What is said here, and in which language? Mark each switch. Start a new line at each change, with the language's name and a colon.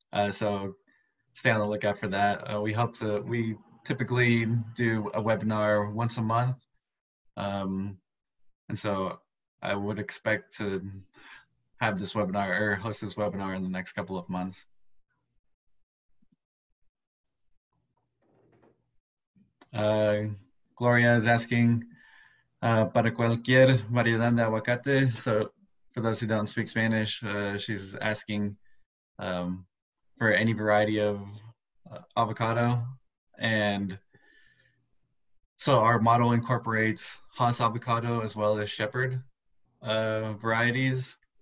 English: So stay on the lookout for that. We typically do a webinar once a month, and so I would expect to have this webinar or host this webinar in the next couple of months.
Spanish: Gloria is asking, para cualquier variedad de aguacate.
English: So for those who don't speak Spanish, she's asking for any variety of avocado. And so our model incorporates Haas avocado as well as Shepherd varieties.